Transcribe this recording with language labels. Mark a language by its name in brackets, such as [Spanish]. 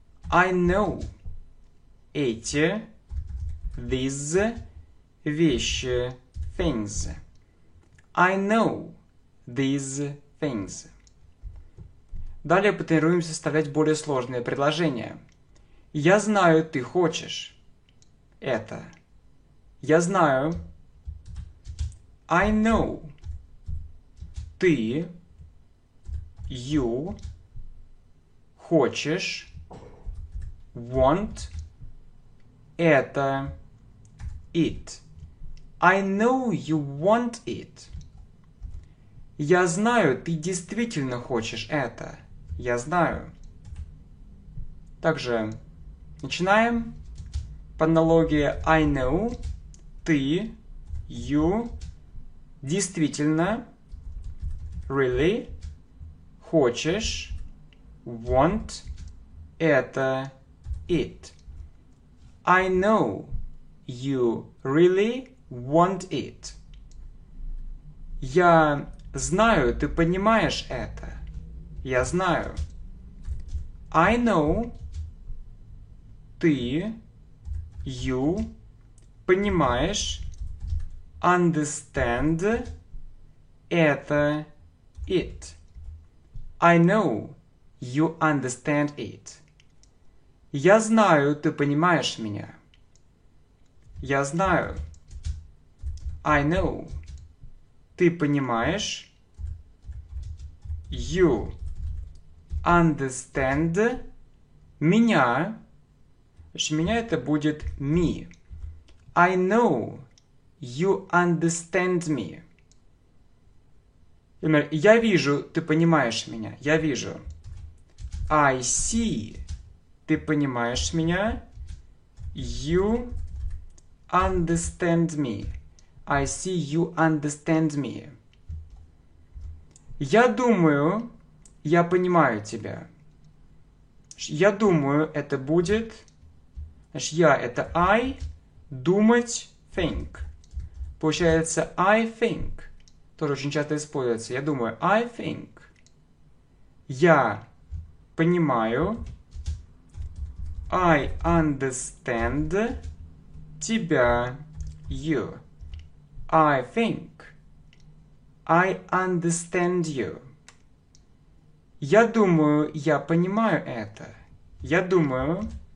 [English] I know [Russian] эти, [English] these, [Russian] вещи, [English] things. I know these things. [Russian] Далее потренируемся составлять более сложные предложения. Я знаю, ты хочешь это. Я знаю. [English] I know. [Russian] Ты. [English] You [Russian] хочешь, [English] want, [Russian] это, [English] it. I know you want it. [Russian] Я знаю, ты действительно хочешь это. Я знаю. Также начинаем по аналогии [English] I know, [Russian] ты, you, действительно, [English] really, [Russian] хочешь, [English] want, [Russian] это, it. [English] I know you really want it. [Russian] Я знаю, ты понимаешь это. Я знаю. [English] I know [Russian] ты, [English] you, [Russian] понимаешь, [English] understand [Russian] это, [English] it. I know you understand it. [Russian] Я знаю, ты понимаешь меня. Я знаю. [English] I know. [Russian] Ты понимаешь. [English] You understand [Russian] меня. Значит, меня это будет [English] me. I know you understand me. [Russian] Я вижу, ты понимаешь меня. Я вижу. [English] I see. [Russian] Ты понимаешь меня. [English] You understand me. I see you understand me. [Russian] Я думаю, я понимаю тебя. Я думаю, это будет. Значит, я это I. Думать, [English] think. Получается, I think. [Russian] Тоже очень часто используется. Я думаю, [English] I think. [Russian] Я понимаю. [English] I understand [Russian] тебя. [English] You. I think. I understand you. [Russian] Я думаю, я понимаю это. Я думаю.